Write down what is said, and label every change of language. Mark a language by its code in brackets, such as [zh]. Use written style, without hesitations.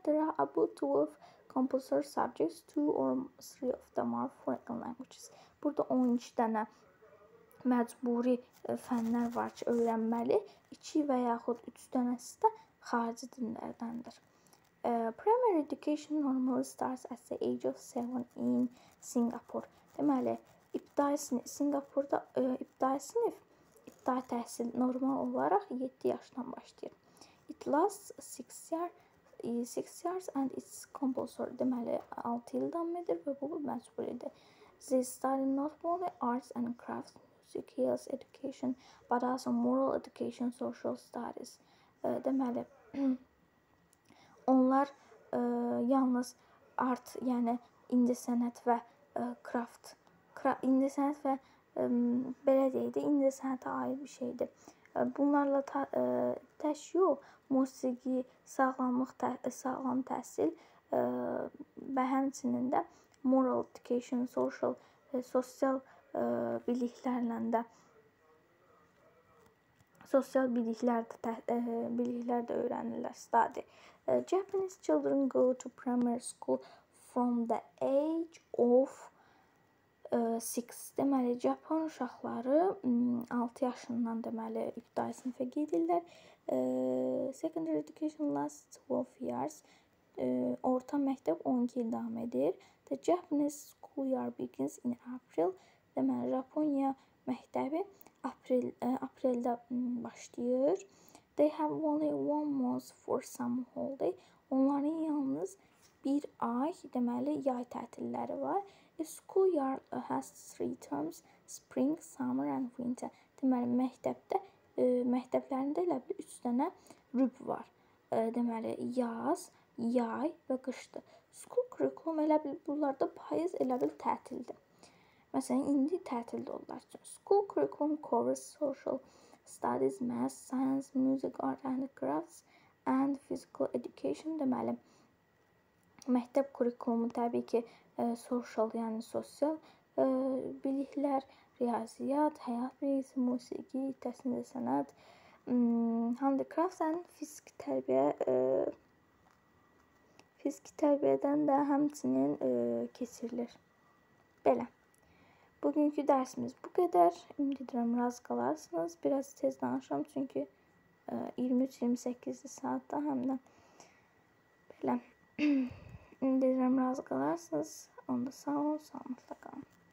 [en] There are about 12 compulsory subjects. 2 or 3 of them are foreign languages. [az] Burada 12 dənə məcburi fənlər var ki, öyrənməli. 2 və yaxud 3 dənəsi də xarici dillərdəndir. [en] Primary education normally starts at the age of 7 in Singapore. [az] Deməli, İbtidai sinif, Singapurda ibtidai sinif, ibtidai təhsil normal olaraq 7 yaşdan başlayır. [en] It lasts 6 years and it's compulsory. [az] Deməli, 6 il davam edir və bu məcburidir. [en] They study not only arts and crafts, music, health, education, but also moral education, social studies. [az] Deməli, onlar yalnız art, yəni incəsənət və craft, İndi sənət və belə deyildi, indi sənətə aid bir şeydir. Bunlarla təşyu, musiqi, sağlam təhsil və həmçinin də [en] moral education, [az] social, sosial biliklərlə də sosial biliklər də öyrənirlər. [en] Study. Japanese children go to primary school from the age of 6. [az] Deməli, Japon uşaqları 6 yaşından deməli ibtidai sinifə gedirlər. [en] Secondary education lasts 12 years. [az] Orta məktəb 12 il davam edir. [en] The Japanese school year begins in April. [az] Deməli, Japonya məktəbi apreldə başlayır. [en] They have only one month for summer holiday. [az] Onların yalnız bir ay, deməli, yay tətilləri var. [en] A school year has three terms, spring, summer and winter. [az] Deməli, məktəbdə, məktəblərində elə bir üç dənə rüb var. Deməli, yaz, yay və qışdır. [en] School curriculum [az] elə bir, bunlarda payız elə bir tətildir. Məsələn, indi tətildir onlar üçün. [en] School curriculum covers social studies, math, science, music, art and crafts and physical education. [az] Deməli, məktəb kurikulumu təbii ki, social, yəni sosial biliklər, riyaziyyat, həyat bilgisi, musiqi, təhsil və sənət, [en] handicrafts and [az] fiziki tərbiyə, fiziki tərbiyədən də həmçinin keçirilir. Belə. [tr] Bugünkü dersimiz bu kadar. Ümit ediyorum razı kalarsınız. Biraz tez danışalım çünkü 23-28'de saatte hem de. Böyle. Ümit ediyorum razı kalarsınız. [az] Onda sağ olun, [tr] sağlıcakla kalın.